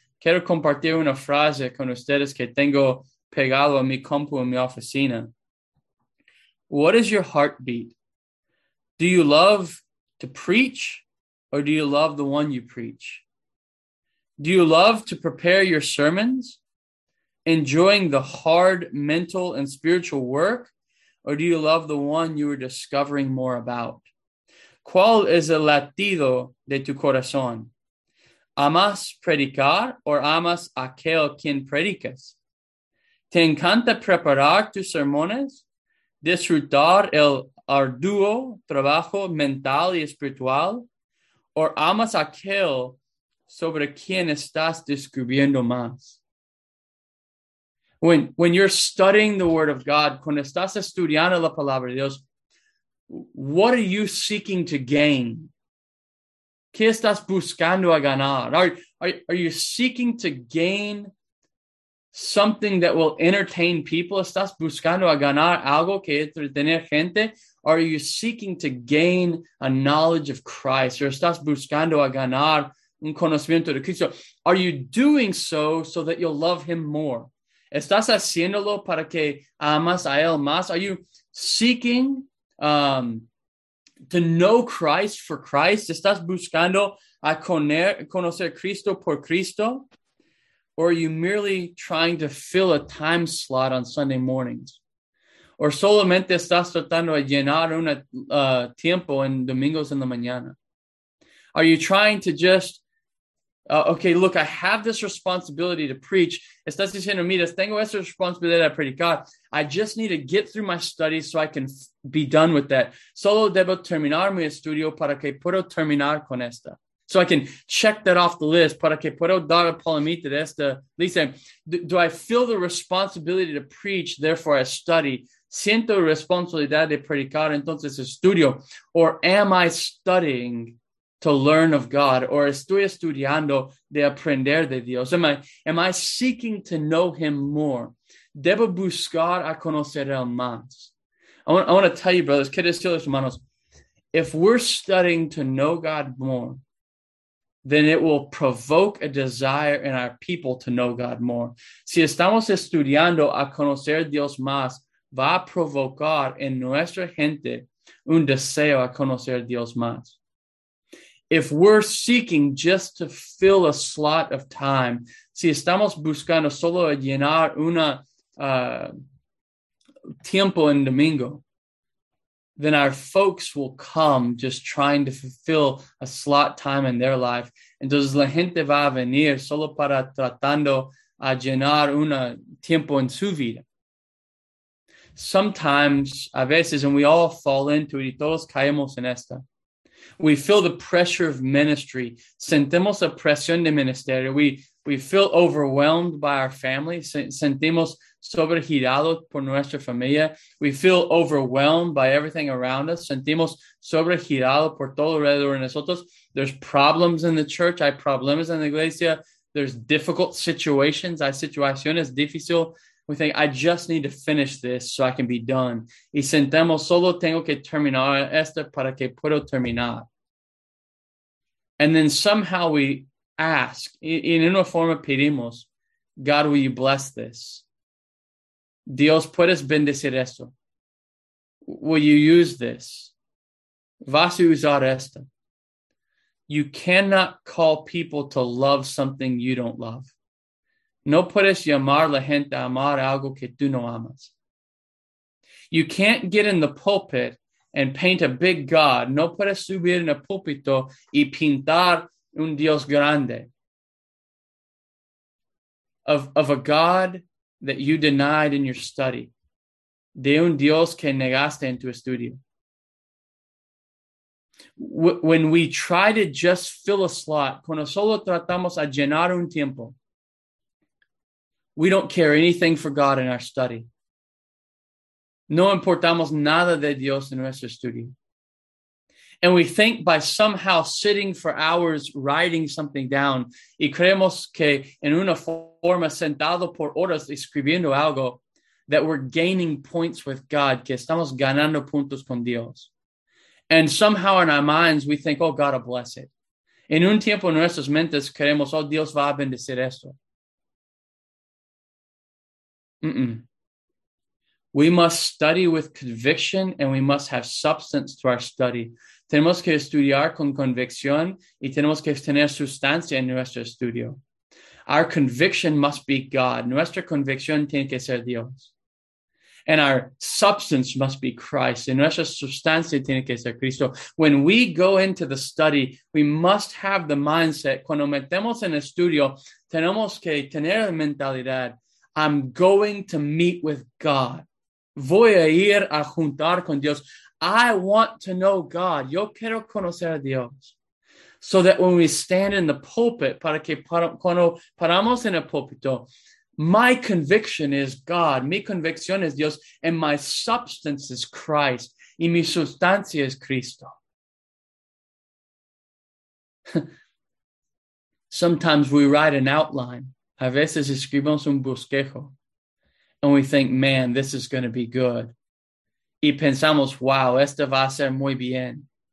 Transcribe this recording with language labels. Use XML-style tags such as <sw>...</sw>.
<es>Quiero compartir una frase con ustedes que tengo pegado a mi compu en mi oficina.</es> <en>What is your heartbeat? Do you love to preach or do you love the one you preach? Do you love to prepare your sermons, enjoying the hard mental and spiritual work, or do you love the one you are discovering more about?</en> <es>¿Cuál es el latido de tu corazón? ¿Amas predicar o amas aquel quien predicas? ¿Te encanta preparar tus sermones? ¿Disfrutar el arduo trabajo mental y espiritual? ¿O amas aquel sobre quien estás descubriendo más?</es> <en>When you're studying the Word of God,</en> <es>cuando estás estudiando la Palabra de Dios,</es> <en>what are you seeking to gain?</en> <es>¿Qué estás buscando a ganar?</es> <en>Are you seeking to gain something that will entertain people?</en> <es>¿Estás buscando a ganar algo que entretener gente?</es> <en>Or are you seeking to gain a knowledge of Christ?</en> <es>¿O estás buscando a ganar un conocimiento de Cristo?</es> <en>Are you doing so that you'll love him more?</en> <es>¿Estás haciéndolo para que amas a él más?</es> <en>Are you seeking to know Christ for Christ?</en> <es>¿Estás buscando a conocer Cristo por Cristo?</es> <en>Or are you merely trying to fill a time slot on Sunday mornings?</en> <es>¿O solamente estás tratando de llenar un tiempo en domingos en la mañana?</es> <en>Are you trying to just, look, I have this responsibility to preach.</en> <es>¿Estás diciendo, mira, tengo esta responsabilidad de predicar?</es> <en>I just need to get through my studies so I can be done with that.</en> <es>Solo debo terminar mi estudio para que pueda terminar con esta.</es> <en>So I can check that off the list.</en> <es>Para que puedo dar la palomita de esta lista.</es> <en>Do I feel the responsibility to preach, therefore I study?</en> <es>¿Siento responsabilidad de predicar, entonces estudio?</es> <en>¿Or am I studying to learn of God?</en> <es>¿Or estoy estudiando de aprender de Dios?</es> <en>Am I seeking to know him more?</en> <es>¿Debo buscar a conocer el más?</es> <en>I want to tell you, brothers,</en> <es>queridos hermanos,</es> <en>if we're studying to know God more, then it will provoke a desire in our people to know God more.</en> <es>Si estamos estudiando a conocer Dios más, va a provocar en nuestra gente un deseo a conocer Dios más.</es> <en>If we're seeking just to fill a slot of time,</en> <es>si estamos buscando solo llenar una tiempo en domingo,</es> <en>then our folks will come just trying to fulfill a slot time in their life.</en> <es>Entonces la gente va a venir solo para tratando a llenar un tiempo en su vida.</es> <en>Sometimes,</en> <es>a veces,</es> <en>and we all fall into it,</en> <es>y todos caemos en esta.</es> <en>We feel the pressure of ministry.</en> <es>Sentimos la presión de ministerio.</es> <en>We feel overwhelmed by our family.</en> <es>Sentimos sobregirado por nuestra familia.</es> <en>We feel overwhelmed by everything around us.</en> <es>Sentimos sobregirado por todo alrededor de nosotros.</es> <en>There's problems in the church.</en> <es>Hay problemas en la iglesia.</es> <en>There's difficult situations.</en> <es>Hay situaciones difíciles.</es> <en>We think, I just need to finish this so I can be done.</en> <es>Y sentemos, solo tengo que terminar esto para que puedo terminar.</es> <en>And then somehow we ask, in</en> <es>una forma pedimos,</es> <en>God, will you bless this?</en> <es>Dios, ¿puedes bendecir esto?</es> <en>Will you use this?</en> <es>¿Vas a usar esto?</es> <en>You cannot call people to love something you don't love.</en> <es>No puedes llamar la gente a amar algo que tú no amas.</es> <en>You can't get in the pulpit and paint a big God.</en> <es>No puedes subir en el púlpito y pintar un Dios grande.</es> <en>Of a God that you denied in your study.</en> <es>De un Dios que negaste en tu estudio.</es> <en>When we try to just fill a slot,</en> <es>cuando solo tratamos a llenar un tiempo,</es> <en>we don't care anything for God in our study.</en> <es>No importamos nada de Dios en nuestro estudio.</es> <en>And we think by somehow sitting for hours writing something down,</en> <es>y creemos que en una forma sentado por horas escribiendo algo,</es> <en>that we're gaining points with God,</en> <es>que estamos ganando puntos con Dios.</es> <en>And somehow in our minds, we think, oh, God will bless it.</en> <es>En un tiempo en nuestras mentes, creemos, oh, Dios va a bendecir esto. Mm-mm.</es> <en>We must study with conviction and we must have substance to our study.</en> <es>Tenemos que estudiar con convicción y tenemos que tener sustancia en nuestro estudio.</es> <en>Our conviction must be God.</en> <es>Nuestra convicción tiene que ser Dios.</es> <en>And our substance must be Christ.</en> <es>Y nuestra sustancia tiene que ser Cristo.</es> <en>When we go into the study, we must have the mindset.</en> <es>Cuando metemos en el estudio, tenemos que tener la mentalidad.</es> <en>I'm going to meet with God.</en> <es>Voy a ir a juntar con Dios.</es> <en>I want to know God.</en> <es>Yo quiero conocer a Dios.</es> <en>So that when we stand in the pulpit,</en> <es>para que cuando paramos en el púlpito,</es> <en>my conviction is God.</en> <es>Mi convicción es Dios.</es> <en>And my substance is Christ.</en> <es>Y mi sustancia es Cristo.</es> <en>Sometimes we write an outline.</en> <es>A veces escribimos un bosquejo</es> <en>and we think, man, this is going to be good.</en> <es>Y pensamos, wow, esto va a ser muy bien.</es>